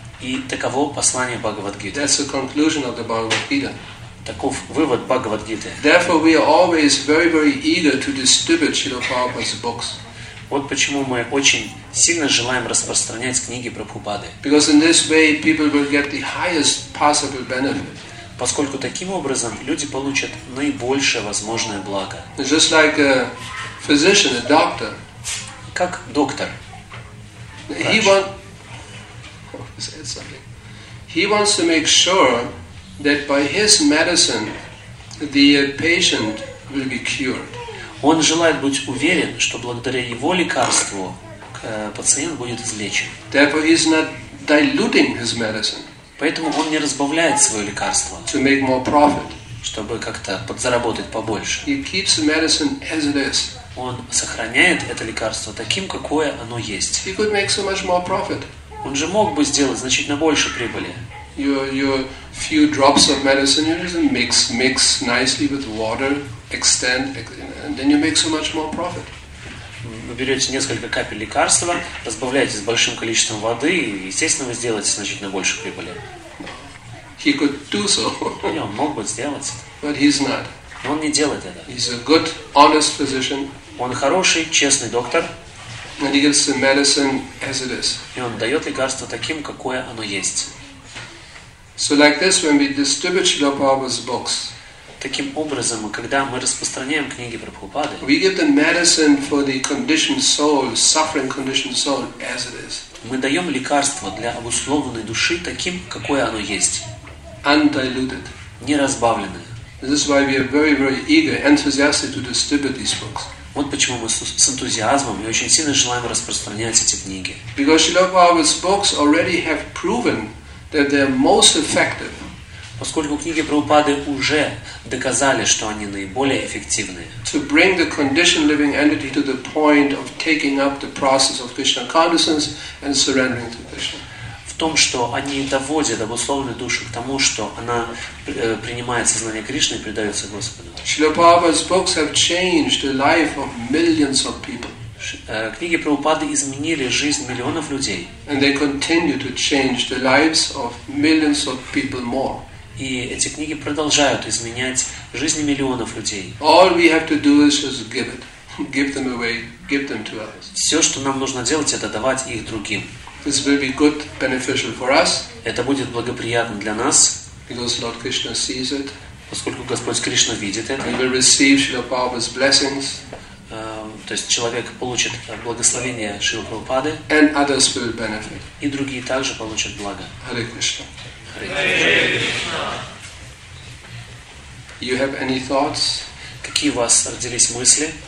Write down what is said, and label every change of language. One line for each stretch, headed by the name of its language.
Russian: И таково послание Бхагавад-гиты.
English: That's the conclusion of the Bhagavad-gita.
Russian: Таков вывод Бхагавад-гиты.
English: Therefore, we are always very, very eager to distribute Srila Prabhupada's books.
Russian: Вот почему мы очень сильно желаем распространять книги Прабхупады.
English: Because in this way, people will get the highest possible benefit.
Russian: Поскольку таким образом люди получат наибольшее возможное благо.
English: Just like a physician, a doctor.
Russian: Как доктор.
English: He wants to make sure that by his medicine the patient will be cured.
Russian: Он желает быть уверен, что благодаря его лекарству пациент будет излечен.
English: Therefore, he's not diluting his medicine.
Russian: Поэтому он не разбавляет свое лекарство.
English: To make more profit.
Russian: Чтобы как-то подзаработать побольше.
English: He keeps the medicine as it is.
Russian: Он сохраняет это лекарство таким, какое оно есть.
English: He could make so much more profit.
Russian: Он же мог бы сделать значительно больше прибыли.
English: Your few drops of medicine you just mix nicely with water, extend, and then you make so much more profit.
Russian: Вы берете несколько капель лекарства, разбавляете с большим количеством воды, и, естественно, вы сделаете значительно больше прибыли.
English: He could do so.
Russian: Не, он мог бы сделать.
English: But he's not.
Russian: Но он не делает это.
English: He's a good, honest physician.
Russian: Он хороший, честный доктор.
English: And he gives the medicine as it is.
Russian: И он дает лекарство таким, какое оно есть.
English: So like this, when we distribute Srila Prabhupada's books,
Russian: таким образом, когда мы распространяем книги Прабхупады,
English: we give the medicine for the conditioned soul, suffering conditioned soul, as it is.
Russian: Мы даем лекарство для обусловленной души таким, какое оно есть.
English: Undiluted.
Russian: Неразбавленное.
English: This is why we are very, very eager, enthusiastic to distribute these books.
Russian: Вот почему мы с энтузиазмом и очень сильно желаем распространять эти книги.
English: Because Srila Prabhupada's books already have proven that they are most effective.
Russian: Поскольку книги Прабхупады уже доказали, что они наиболее эффективны.
English: To bring the conditioned living entity to the point of taking up the process of Krishna consciousness and surrendering to Krishna.
Russian: В том, что они доводят обусловленную душу к тому, что она принимает сознание Кришны и предается Господу.
English: Srila Prabhupada's books have changed the life of millions of people.
Russian: Книги Прабхупады изменили жизнь миллионов людей.
English: And they continue to change the lives of millions of people more.
Russian: И эти книги продолжают изменять жизни миллионов людей.
English: All we have to do is just give it. Give them away. Give them to others.
Russian: Все, что нам нужно делать, это давать их другим.
English: This will be good, beneficial for us.
Russian: Это будет благоприятно для нас.
English: Because Lord Krishna sees it.
Russian: Поскольку Господь Кришна видит это.
English: We will receive Srila Prabhupada's blessings.
Russian: То есть человек получит благословение Шрилы Прабхупады.
English: And others will benefit.
Russian: И другие также получат благо.
Sanskrit: Hare Krishna. Hare Krishna.
English: You have any thoughts?
Russian: Какие у вас родились мысли?